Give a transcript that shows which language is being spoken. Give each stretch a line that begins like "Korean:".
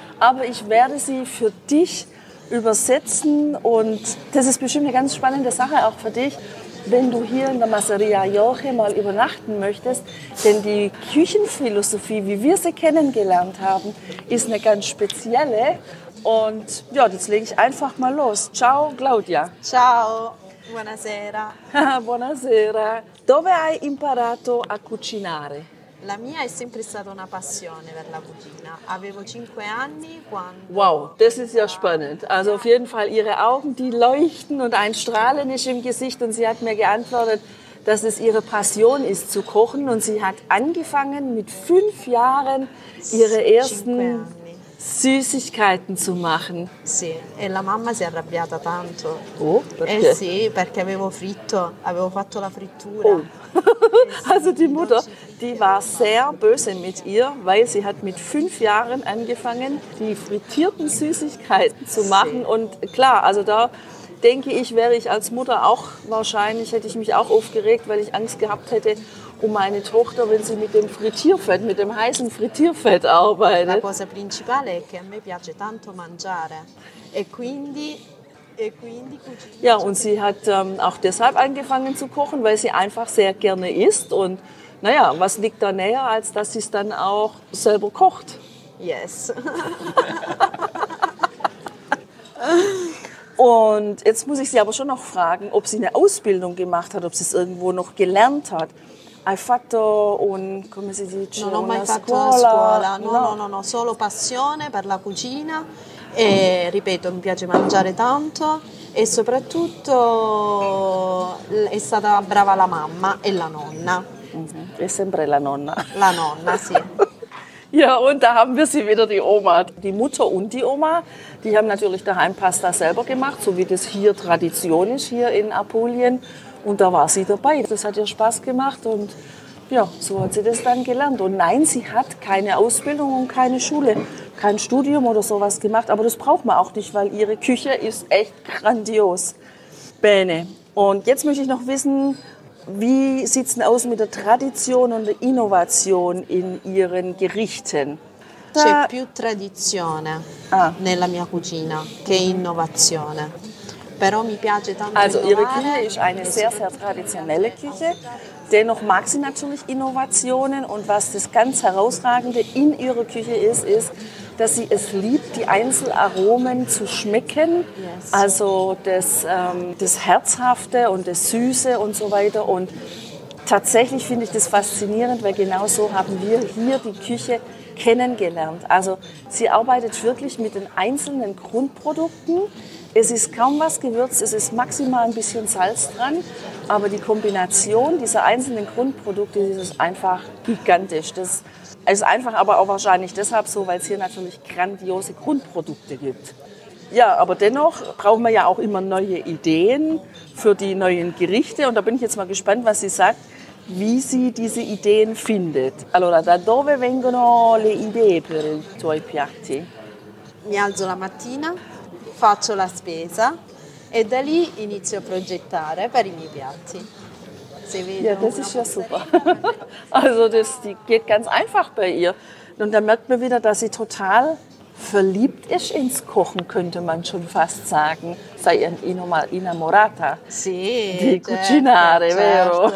German: Aber ich werde sie für dich übersetzen und das ist bestimmt eine ganz spannende Sache auch für dich, wenn du hier in der Masseria Jorge mal übernachten möchtest. Denn die Küchenphilosophie, wie wir sie kennengelernt haben, ist eine ganz spezielle. Und ja, jetzt lege ich einfach mal los.
Italian: Ciao, Claudia. Ciao, buonasera. Buonasera. Dove hai imparato a cucinare? La mia è sempre stata una passione per la cucina. Avevo 5 anni quando...
German: Wow, das ist ja spannend. Also auf jeden Fall, ihre Augen, die leuchten und ein Strahlen ist im Gesicht. Und sie hat mir geantwortet, dass es ihre Passion ist zu kochen. Und sie hat angefangen mit 5 Jahren ihre ersten... Süßigkeiten zu machen.
Italian: Sì, e la mamma si è arrabbiata tanto. Oh, perché? Eh sì, perché avevo fatto la frittura. Oh.
German: Also die Mutter, die war sehr böse mit ihr, weil sie hat mit 5 Jahren angefangen, die frittierten Süßigkeiten zu machen.
Italian: Sì.
German: Und klar, also da denke ich, wäre ich als Mutter auch wahrscheinlich, hätte ich mich auch aufgeregt, weil ich Angst gehabt hätte, um meine Tochter, wenn sie mit dem Frittierfett, mit dem heißen Frittierfett arbeitet.
Italian: La cosa principale è che a me piace tanto mangiare. E quindi cucina.
German: Ja, und sie hat auch deshalb angefangen zu kochen, weil sie einfach sehr gerne isst. Und naja, was liegt da näher, als dass sie es dann auch selber kocht?
English: Yes.
German: Und jetzt muss ich sie aber schon noch fragen, ob sie eine Ausbildung gemacht hat, ob sie es irgendwo noch gelernt hat.
Italian: Hai fatto un, come si dice, non ho mai fatto scuola. La scuola, no, solo passione per la cucina e ripeto, mi piace mangiare tanto e soprattutto è stata brava la mamma e la nonna. Mm-hmm. È sempre la nonna. La nonna, sì.
German: Ja, und da haben wir sie wieder, die Oma. Die Mutter und die Oma, die haben natürlich daheim Pasta selber gemacht, so wie das hier Tradition ist, hier in Apulien. Und da war sie dabei. Das hat ihr Spaß gemacht und ja, so hat sie das dann gelernt. Und nein, sie hat keine Ausbildung und keine Schule, kein Studium oder sowas gemacht. Aber das braucht man auch nicht, weil ihre Küche ist echt grandios.
Italian: Bene.
German: Und jetzt möchte ich noch wissen, wie sieht es denn aus mit der Tradition und der Innovation in ihren Gerichten?
Italian: C'è più tradizione nella mia cucina che innovazione.
German: Also ihre Küche ist eine sehr, sehr traditionelle Küche. Dennoch mag sie natürlich Innovationen. Und was das ganz Herausragende in ihrer Küche ist, ist, dass sie es liebt, die Einzelaromen zu schmecken. Also das Herzhafte und das Süße und so weiter. Und tatsächlich finde ich das faszinierend, weil genau so haben wir hier die Küche kennengelernt. Also sie arbeitet wirklich mit den einzelnen Grundprodukten. Es ist kaum was gewürzt, es ist maximal ein bisschen Salz dran, aber die Kombination dieser einzelnen Grundprodukte ist einfach gigantisch. Das ist einfach aber auch wahrscheinlich deshalb so, weil es hier natürlich grandiose Grundprodukte gibt. Ja, aber dennoch brauchen wir ja auch immer neue Ideen für die neuen Gerichte und da bin ich jetzt mal gespannt, was sie sagt. wie sie diese Ideen findet.
Italian: Allora, da dove vengono le idee per i tuoi piatti? Mi alzo la mattina, faccio la spesa e da lì inizio a progettare per i miei piatti. Se vedo
German: ja, das ist ja super. Also das geht ganz einfach bei ihr. Und dann merkt man wieder, dass sie total verliebt ist ins Kochen, könnte man schon fast sagen.
Italian: Sei
German: nochmal
Italian: innamorata. Sì, di cucinare, certo,